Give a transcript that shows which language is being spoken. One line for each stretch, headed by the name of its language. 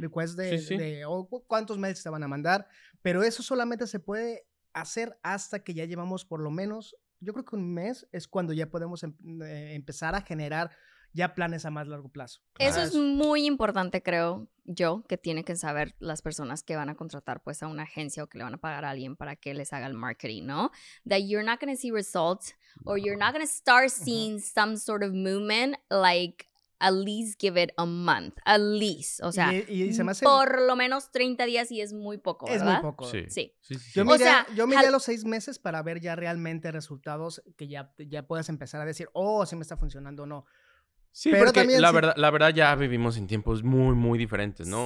Spanish: Request cuántos mails te van a mandar, pero eso solamente se puede hacer hasta que ya llevamos por lo menos, yo creo que un mes es cuando ya podemos empezar a generar ya planes a más largo plazo. Claro. Eso es muy importante, creo yo, que tienen que saber las personas que van a contratar, pues, a una agencia o que le van a pagar a alguien para que les haga el marketing, ¿no?
English: That you're not going to see results or you're not going to start seeing some sort of movement, like, at least give it a month, at least.
Spanish: O sea, y se me hace por lo menos 30 días y es muy poco, ¿verdad? Es muy poco. Sí. Sí. Yo miré los 6 meses para ver ya realmente resultados que ya puedas empezar a decir, si me está funcionando o no. Sí, Pero la verdad ya vivimos en tiempos muy, muy diferentes, ¿no?